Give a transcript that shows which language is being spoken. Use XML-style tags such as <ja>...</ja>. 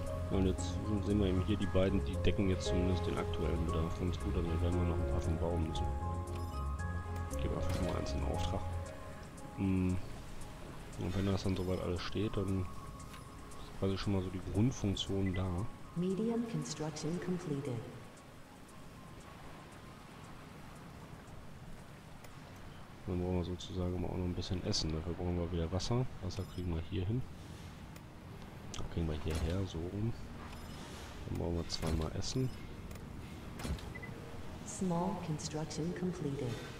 <de>Und jetzt sehen wir eben hier die beiden, die decken jetzt zumindest den aktuellen Bedarf ganz gut. Also werden wir noch ein paar vom Baum müssen. Ich gebe einfach schon mal eins in Auftrag. Und wenn das dann soweit alles steht, dann ist quasi schon mal so die Grundfunktion da.</de> <en>Medium construction completed.</en> <de>Dann brauchen wir sozusagen auch noch ein bisschen Essen. Dafür brauchen wir wieder Wasser. Wasser kriegen wir hier hin. Kriegen wir hierher, so rum. Dann brauchen wir zweimal Essen.</de> <en>Small construction completed.</en>